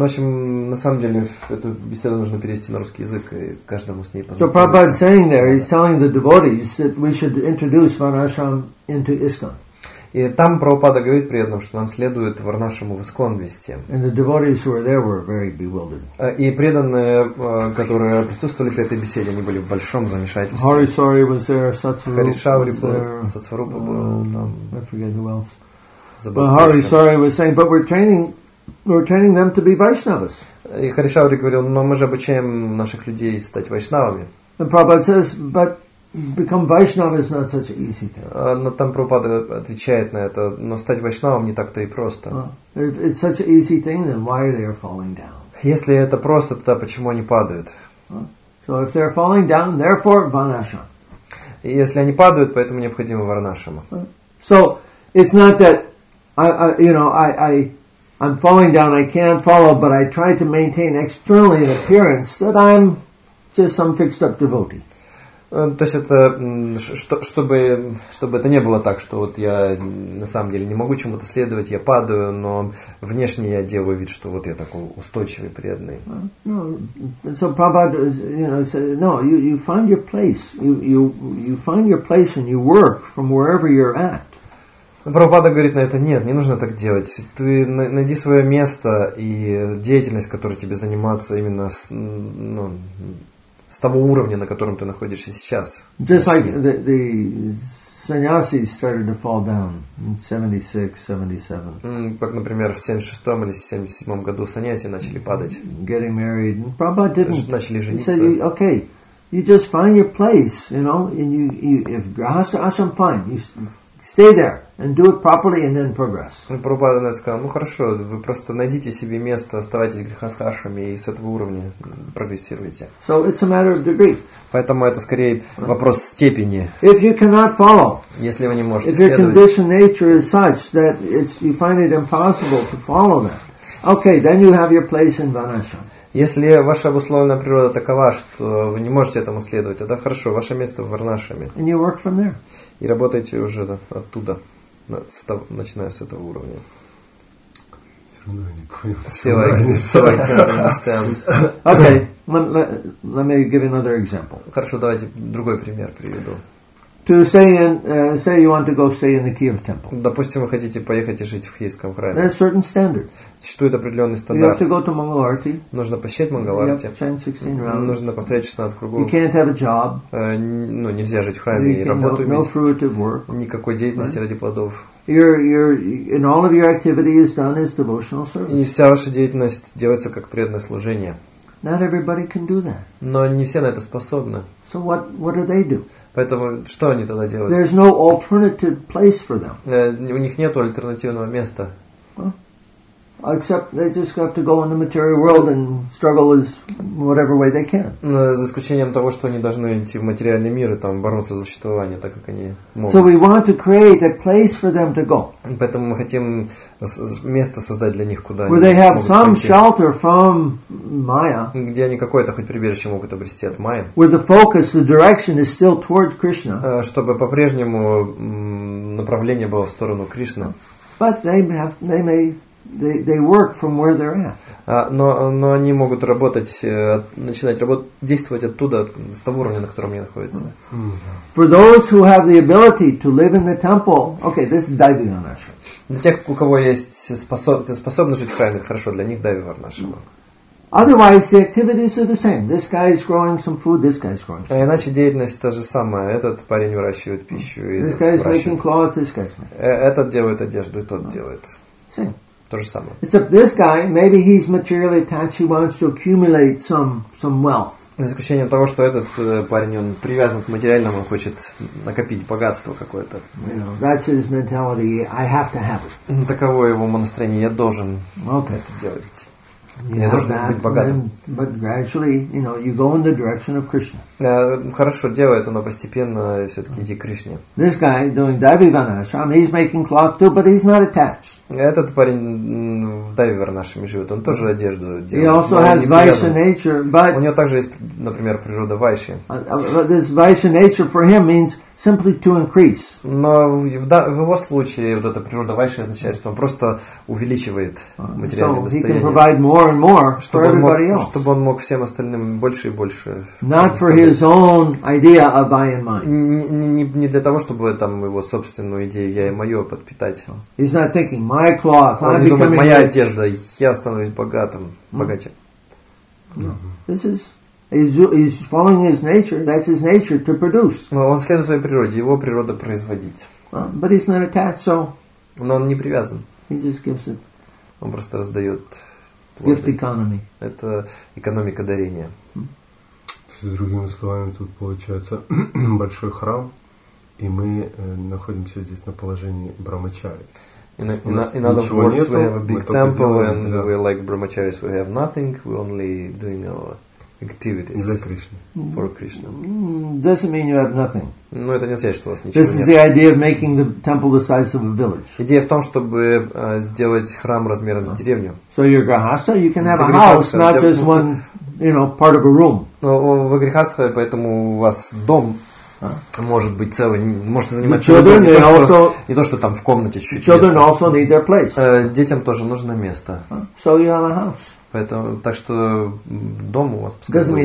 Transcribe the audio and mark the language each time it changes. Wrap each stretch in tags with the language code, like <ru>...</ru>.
<ru>В общем, на самом деле, эту беседу нужно перевести на русский язык, и каждому с ней познакомиться.</ru> <en>So Prabhupada saying there, he's telling the devotees that we should introduce Varnashram into ISKCON.</en> <ru>И там Прабхупада говорит преданным, что нам следует Варнашраму в ИСККОН вести.</ru> <en>And the devotees who were there were very bewildered.</en> <ru>И преданные, которые присутствовали при этой беседе, они были в большом замешательстве.</ru> <en>Hari Sori was there,</en> <ru>Сатсварупа был там.</ru> <en>I forget who else. Hari Sori was saying, but we're training them to be Vaishnavas.</en> <ru>И Харишаури говорил, но мы же обучаем наших людей стать вайшнавами.</ru> <en>And Prabhupada says, but become Vaishnava is not such an easy thing.</en> <ru>Но там Прабхупада отвечает на это, но стать вайшнавом не так-то и просто.</ru> <en>If it's such an easy thing, then why are they falling down?</en> <ru>Если это просто, тогда почему они падают?</ru> <en>So if they're falling down, therefore Varnashram.</en> <ru>Если они падают, поэтому необходимо Варнашрама.</ru> <en>So it's not that I'm falling down, I can't follow, but I try to maintain externally an appearance that I'm just some fixed up devotee.</en> <ru>То есть это, чтобы это не было так, что вот я на самом деле не могу чему-то следовать, я падаю, но внешне я делаю вид, что вот я такой устойчивый, преданный.</ru> <en>So Prabhupada, you find your place. You find your place and you work from wherever you're at.</en> <ru>Прабхупада говорит на это, нет, не нужно так делать. Ты найди свое место и деятельность, которой тебе заниматься именно с того уровня, на котором ты находишься сейчас.</ru> <en>Just like the sannyasis started to fall down in 76-77.</en> <ru>Как, например, в 76-м или 77-м году саньяси начали падать.</ru> <en>Getting married. Prabhupada didn't.</en> <ru>Начали жениться.</ru> <en>He said, okay. You just find your place, you know, and you if grahastha ashram, fine. You stay there and do it properly and then progress.</en> <ru>Прабхупада сказал, ну хорошо, вы просто найдите себе место, оставайтесь грехасхашами и с этого уровня прогрессируйте.</ru> <en>So it's a matter of degree.</en> <ru>Поэтому это скорее вопрос степени.</ru> <en>If you cannot follow,</en> <ru>если вы не можете следовать,</ru> <en>if your conditioned nature is such that you find it impossible to follow that, okay, then you have your place in Varnashram.</en> <ru>Если ваша обусловленная природа такова, что вы не можете этому следовать, тогда хорошо, ваше место в Варнашраме.</ru> <en>And you work from there.</en> <ru>И работаете уже оттуда, начиная с этого уровня. Все равно я не понял.</ru> <en>Okay, let me give another example.</en> <ru>Хорошо, давайте другой пример приведу.</ru> <en>To stay in, say you want to go stay in the Kiev temple.</en> <ru>Допустим, вы хотите поехать и жить в Киевском храме.</ru> <en>There's certain standard.</en> <ru>Существует определенный стандарт.</ru> <en>You have to go to Mangalarti.</en> <ru>Нужно посещать Мангаларти.</ru> <en>You have to chant 16 rounds.</en> <ru>Нужно повторять 16 кругов.</ru> <en>You can't have a job.</en> <ru>Нельзя жить в храме и работу иметь.</ru> <en>No fruitive work.</en> <ru>Никакой деятельности ради плодов.</ru> <en>In all of your activity is done as devotional service.</en> <ru>И вся ваша деятельность делается как преданное служение.</ru> <en>Not everybody can do that.</en> <ru>Но не все на это способны.</ru> <en>So what do they do?</en> <ru>Поэтому что они тогда делают?</ru> <en>There's no alternative place for them.</en> <ru>У них нету альтернативного места.</ru> <en>Except they just have to go in the material world and struggle as whatever way they can.</en> <ru>Но за исключением того, что они должны идти в материальный мир и там бороться за существование, так как они могут.</ru> <en>So we want to create a place for them to go.</en> <ru>Поэтому мы хотим место создать для них, куда.</ru> <en>Where they have some shelter from Maya.</en> <ru>Где они какое-то хоть прибежище могут обрести от Майи.</ru> <en>Where the focus, the direction is still toward Krishna.</en> <ru>Чтобы по-прежнему направление было в сторону Кришны.</ru> <en>But they work from where they're at.</en> <ru>Но они могут работать, начинать работать, действовать оттуда, с того уровня, на котором они находятся.</ru> <en>For those who have the ability to live in the temple, okay, this is Daivi Varnashrama.</en> <ru>Для тех, у кого есть способность жить в храме, хорошо, для них Daivi Varnashrama.</ru> <en>Otherwise, the activities are the same. This guy is growing some food. This guy is growing.</en> <ru>Иначе деятельность та же самая. Этот парень выращивает пищу.</ru> <en>This guy is making cloth. This guy's making.</en> <ru>Этот делает одежду, и тот делает.</ru> <en>Same.</en> <ru>То же самое.</ru> <en>Except this guy, maybe he's materially attached, he wants to accumulate some wealth.</en> <ru>За исключением того, что этот парень, он привязан к материальному, он хочет накопить богатство какое-то.</ru> <en>You know, that's his mentality, I have to have it.</en> <ru>Ну, таково его настроение, я должен это делать.</ru> <en>You</en> <ru>я должен</ru> <en>that,</en> <ru>быть богатым.</ru> <en>Then, but gradually, you know, you go in the direction of Krishna.</en> <ru>Хорошо, делает он, но постепенно все-таки иди к Кришне.</ru> <en>This guy doing Daivi Varnashrama, he's making cloth too, but he's not attached.</en> <ru>Этот парень в Daivi Varnashrama живет, он тоже одежду делает.</ru> <en>He also has Vaishya nature, but</en> <ru>у него также есть, например, природа Вайши.</ru> <en>This Vaishya nature for him means simply to increase.</en> <ru>Но в его случае вот эта природа Вайши означает, что он просто увеличивает материальное</ru> <en>so</en> <ru>достояние.</ru> <en>So he can provide more and more for everybody else.</en> <ru>Чтобы он мог всем остальным больше и больше.</ru> <en>Not for his own idea of I and mine.</en> <ru>Не для того, чтобы там его собственную идею я и мое подпитать.</ru> <en>He's not thinking. My cloth,</en> <ru>он не думает, моя одежда, я становлюсь богатым, богаче. Он следует своей природе, его природа производить.</ru> <en>But he's not attached, so.</en> <ru>Но он не привязан.</ru> <en>He just gives it.</en> <ru>Он просто раздает плоды.</ru> <en>Gift economy.</en> <ru>Это экономика дарения. С другими словами, тут получается большой храм, и мы находимся здесь на положении брамачари.</ru> <en>In other words, we have a big temple and we like brahmacharis. We have nothing. We're only doing our activities for Krishna. Doesn't mean you have nothing.</en> <ru>Ну это не значит, что у вас ничего нет.</ru> <en>This is the idea of making the temple the size of a village.</en> <ru>Идея в том, чтобы сделать храм размером с деревню.</ru> <en>So you're grihastha, you can have a house, not just one, you know, part of a room.</en> <ru>Вы грихастха, поэтому у вас дом. Может быть целый, может занимать</ru> <en>children,</en> <ru>не, то, что,</ru> <en>also,</en> <ru>не то, что там в комнате чуть-чуть. Детям тоже нужно место.</ru> <en>So you have a house.</en> <ru>Поэтому, так что дом у вас пускай.</ru>